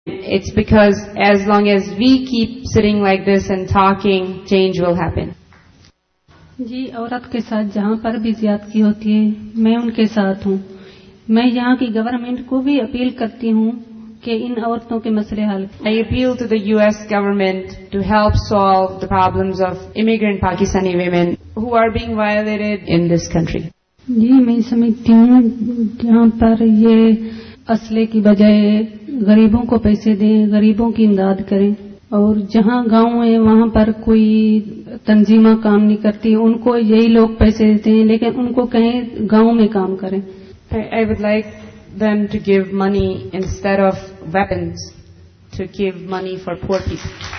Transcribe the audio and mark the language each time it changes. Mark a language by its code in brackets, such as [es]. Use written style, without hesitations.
[en] It's because as long as we keep sitting like this and talking, change will happen. [ur] جی عورت کے ساتھ جہاں پر بھی زیادتی ہوتی ہے میں ان کے ساتھ ہوں. میں یہاں کی گورنمنٹ کو بھی اپیل کرتی ہوں کہ ان عورتوں کے مسئلے حل کریں. [en] I appeal to the US government to help solve the problems of immigrant Pakistani women who are being violated in this country. [ur] جی میں سمجھتی ہوں جہاں پر یہ اسلحے کی بجائے غریبوں کو پیسے دیں, غریبوں کی امداد کریں, اور جہاں گاؤں ہیں وہاں پر کوئی تنظیمہ کام نہیں کرتی, ان کو یہی لوگ پیسے دیتے ہیں, لیکن ان کو کہیں گاؤں میں کام کریں. [en] I would like them to give money instead of weapons, to give money for poor people.